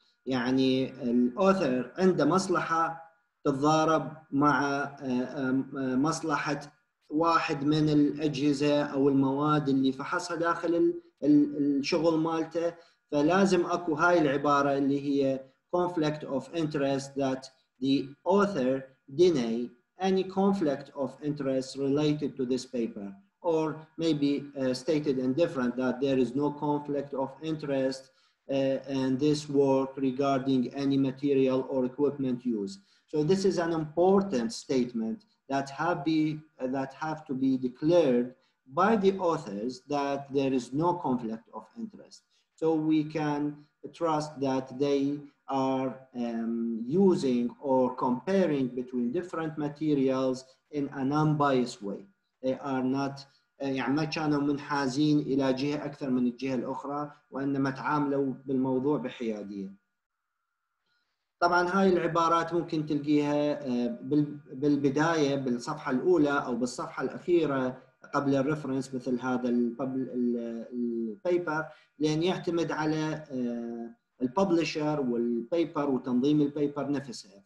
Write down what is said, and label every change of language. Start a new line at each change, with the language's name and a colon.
Arabic: يعني الأثر عند مصلحة تضارب مع مصلحة واحد من الأجهزة أو المواد اللي فحصها داخل الشغل مالته. فلازم أكو هاي العبارة اللي هي
English: conflict of interest, that the author deny any conflict of interest related to this paper, or maybe stated in different, that there is no conflict of interest in this work regarding any material or equipment use. So this is an important statement that have to be declared by the authors, that there is no conflict of interest. So we can trust that they are using or comparing between different materials in an unbiased way. They are not
Arabic: يعني ما كانوا منحازين إلى جهة أكثر من الجهة الأخرى, وإنما تعاملوا بالموضوع بحيادية. طبعاً هاي العبارات ممكن تلقيها بالبداية بالصفحة الأولى أو بالصفحة الأخيرة قبل الريفرنس مثل هذا البيبر, لأن يعتمد على الببلشر والبيبر وتنظيم البيبر نفسها.